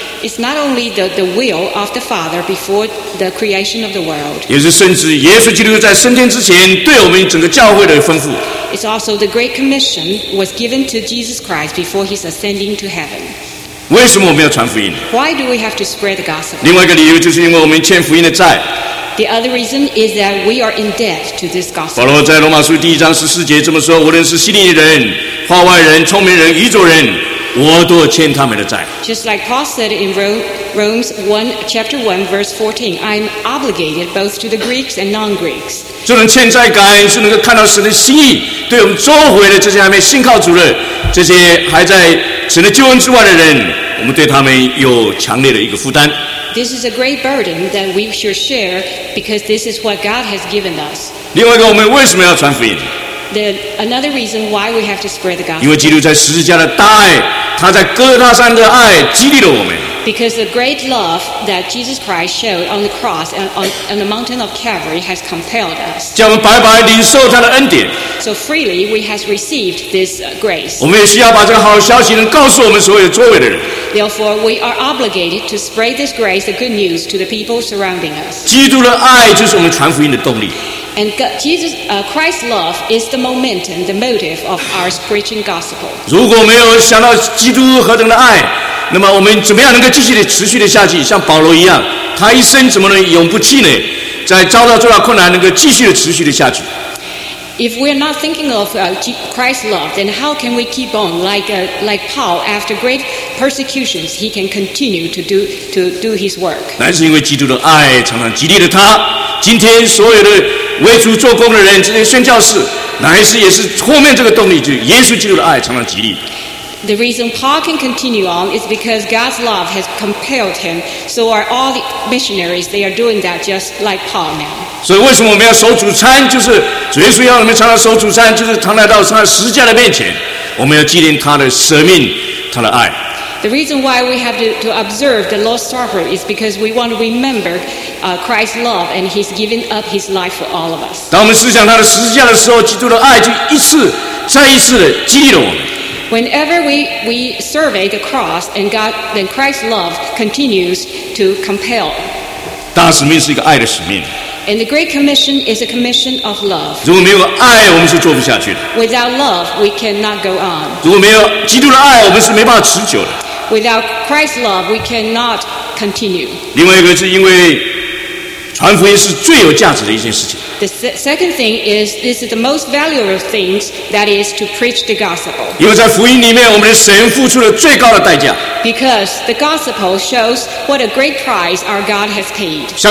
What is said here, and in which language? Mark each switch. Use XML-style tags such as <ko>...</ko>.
<en>It's not only the will of the Father before the creation of the world.</en> <zh>也是甚至耶稣基督在升天之前对我们整个教会的吩咐</zh> <en>It's also the great commission was given to Jesus Christ before his ascending to heaven.</en> <zh>为什么我们要传福音</zh> <en>Why do we have to spread the gospel?</en> <zh>另外一个理由就是因为我们欠福音的债</zh> <en>The other reason is that we are in debt to this gospel.</en> <zh>保罗在罗马书第一章十四节这么说无论是希利人话外人聪明人愚拙人我都欠他们的债。</zh> <en>Just like Paul said in Romans 1, chapter 1, verse 14, I'm obligated both to the Greeks and non-Greeks.</en> <zh>就能欠债感，就能够看到神的心意，对我们周围的这些还没信靠主的，这些还在神的救恩之外的人，我们对他们有强烈的一个负担。</zh> <en>This is a great burden that we should share because this is what God has given us.</en> <zh>另外一个，我们为什么要传福音？</zh> <en>Another reason why we have to spread the gospel.</en> <zh>因为基督在十字架的大爱，他在哥大山的爱激励了我们。</zh> <en>Because the great love that Jesus Christ showed on the cross and on the mountain of Calvary has compelled us.</en> <zh>叫我们白白领受他的恩典。</zh> <en>So freely we have received this grace.</en> <zh>我们也需要把这个好消息能告诉我们所有周围的人。</zh> <en>Therefore, we are obligated to spread this grace, the good news, to the people surrounding us.</en> <zh>基督的爱就是我们传福音的动力。</zh> <en>And Jesus, Christ's love is the momentum, the motive of our preaching gospel.</en> <zh>如果没有想到基督何等的爱，那么我们怎么样能够继续的持续的下去？像保罗一样，他一生怎么能永不气馁？在遭到多少困难，能够继续的持续的下去？</zh> <en>If we are not thinking of Christ's love, then how can we keep on like Paul after great persecutions? He can continue to do his work.</en> <zh>乃是因为基督的爱常常激励了他。今天所有的为主做工的人，这些宣教士，乃是也是后面这个动力，就是耶稣基督的爱常常激励。</zh> <en>The reason Paul can continue on is because God's love has compelled him. So are all the missionaries. They are doing that just like Paul now.</en> <zh>所以为什么我们要守主餐？就是主耶稣要我们常常守主餐，就是常来到他的十字架的面前，我们要纪念他的舍命，他的爱。</zh> <en>The reason why we have to observe the Lord's Supper is because we want to remember Christ's love and He's given up His life for all of us.</en> <zh>当我们思想他的十字架的时候，基督的爱就一次再一次的激励了我们。</zh> <en>Whenever we survey the cross and God, then Christ's love continues to compel.</en> <zh>当使命是一个爱的使命。</zh> <en>And the Great Commission is a commission of love.</en> <zh>如果没有爱，我们是做不下去的。</zh> <en>Without love, we cannot go on.</en> <zh>如果没有基督的爱，我们是没办法持久的。</zh> <en>Without Christ's love, we cannot continue.</en> <zh>另外一个是因为传福音是最有价值的一件事情。</zh> <en>The second thing is, this is the most valuable thing, that is to preach the gospel.</en> <zh>因为在福音里面，我们的神付出了最高的代价。</zh> <en>Because the gospel shows what a great price our God has paid.</en>